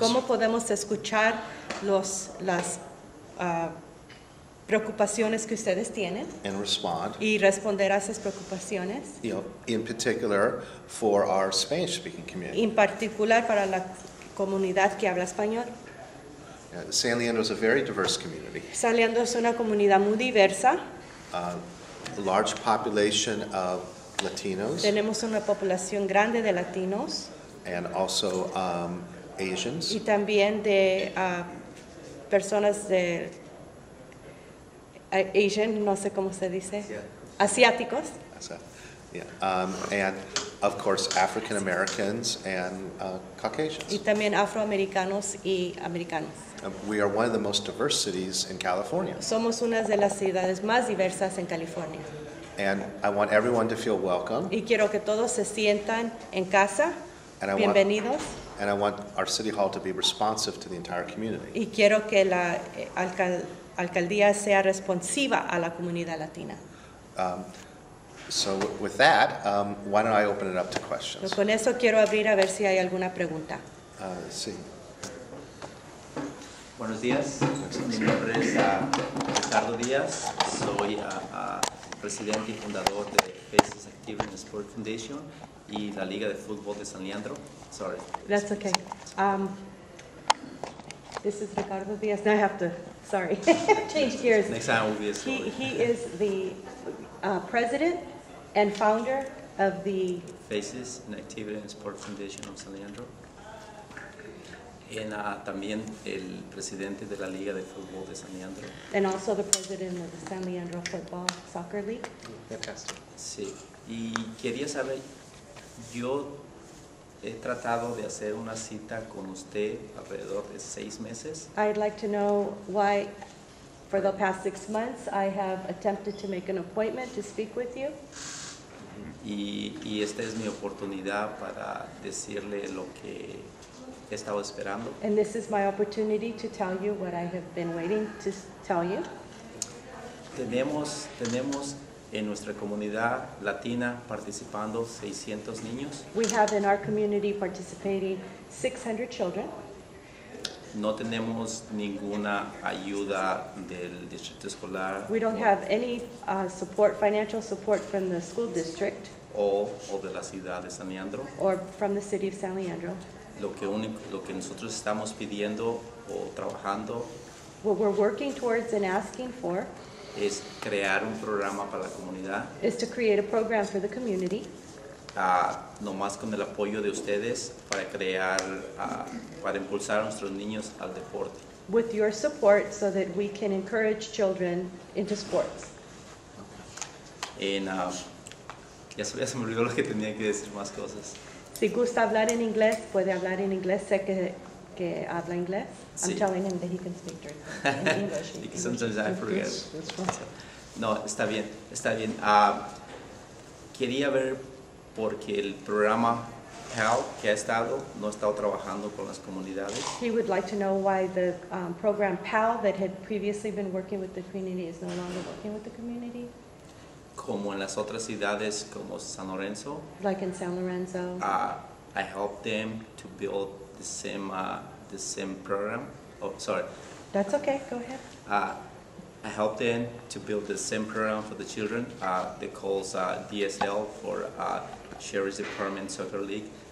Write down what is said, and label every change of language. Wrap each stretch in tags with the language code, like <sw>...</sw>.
<es>¿Cómo podemos escuchar los las preocupaciones que ustedes tienen?</es> <en>And respond.</en> <es>Y responder a esas preocupaciones.</es> <en>You know, in particular for our Spanish-speaking community.</en> <es>En particular para la comunidad que habla español.</es> <en>San Leandro is a very diverse community.</en> <es>San Leandro es una comunidad muy diversa.</es> <en>Large population of Latinos.</en> <es>Tenemos una población grande de Latinos.</es> <en>And also Asians.</en> <es>Y también de personas de Asian, no sé cómo se dice.</es> <en>Yeah.</en> <es>Asiáticos.</es> <en>And of course African Americans and Caucasians.</en> <es>Y también afroamericanos y americanos.</es> <en>We are one of the most diverse cities in California.</en> <es>Somos una de las ciudades más diversas en California.</es> <en>And I want everyone to feel welcome.</en> <es>Y quiero que todos se sientan en casa.</es> <en>And</en> <es>bienvenidos.</es> <en>I want our city hall to be responsive to the entire community.</en> <es>Y quiero que la alcaldía sea responsiva a la comunidad latina.</es> <en>So with that, why don't I open it up to questions?</en> <es>Con eso quiero abrir a ver si hay alguna pregunta. Sí. Buenos días. Mi nombre es Ricardo Díaz. Soy presidente y fundador de Faces Active in the Sport Foundation y la Liga de Fútbol de San Leandro. Sorry.</es> <en>That's okay. This is Ricardo Díaz. Now I have to, sorry, change gears. Next time will be a story. He is the president and founder of the Faces and Activity and Sport Foundation of San Leandro. And</en> <es>también el presidente de la Liga de Fútbol de San Leandro.</es> <en>And also the president of the San Leandro Football Soccer League.</en> <es>Sí. Y quería saber, yo he tratado de hacer una cita con usted alrededor de 6 meses.</es> <en>I'd like to know why, for the past 6 months, I have attempted to make an appointment to speak with you.</en> <es>Y esta es mi oportunidad para decirle lo que he estado esperando.</es> <en>And this is my opportunity to tell you what I have been waiting to tell you.</en> <es>Tenemos en nuestra comunidad latina participando 600 niños.</es> <en>We have in our community participating 600 children.</en> <es>No tenemos ninguna ayuda del distrito escolar.</es> <en>We don't have any support, financial support from the school district.</en> <es>O de la ciudad de San Leandro.</es> <en>Or from the city of San Leandro.</en> <es>Lo que nosotros estamos pidiendo o trabajando.</es> <en>What we're working towards and asking for.</en> <es>Es crear un programa para la comunidad.</es> <en>Is to create a program for the community.</en> <es>Nomás con el apoyo de ustedes para crear, para impulsar a nuestros niños al deporte.</es> <en>With your support so that we can encourage children into sports.</en> <es>En, ya sabía, se me olvidó lo que tenía que decir más cosas. Si gusta hablar en inglés, puede hablar en inglés. Sé que habla inglés. Sí.</es> <en>I'm telling him that he can speak German. In English. Sometimes I forget. That's fine.</en> <es>No, está bien, está bien. Quería ver, porque el programa HELP que ha estado no ha estado trabajando con las comunidades.</es> <en>He would like to know why the program PAL that had previously been working with the community is no longer working with the community.</en> <es>Como en las otras ciudades como San Lorenzo.</es> <en>Like in San Lorenzo. I helped them to build the same program. Oh, sorry. That's okay. Go ahead. I helped them to build the same program for the children. They call DSL for Sheriff's Department Soccer League.</en>